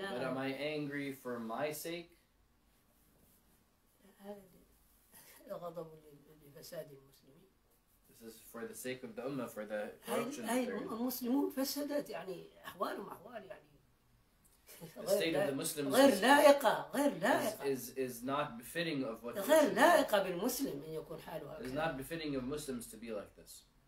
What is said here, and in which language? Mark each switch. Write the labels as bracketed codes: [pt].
[ar] أنا؟ [en] But am I angry for my sake? [ar] هذا غضب لفساد المسلمين. [en] This is for the sake of the ummah, for the corruption. [ar] هاي المسلمون فسدت يعني أحوالهم أحوال يعني. [en] The state of the Muslims [ar] غير لائقة غير لائقة. [en] Is not befitting of what. [ar] غير لائقة بالمسلم أن يكون حاله. [en] Is not befitting of Muslims to be like this.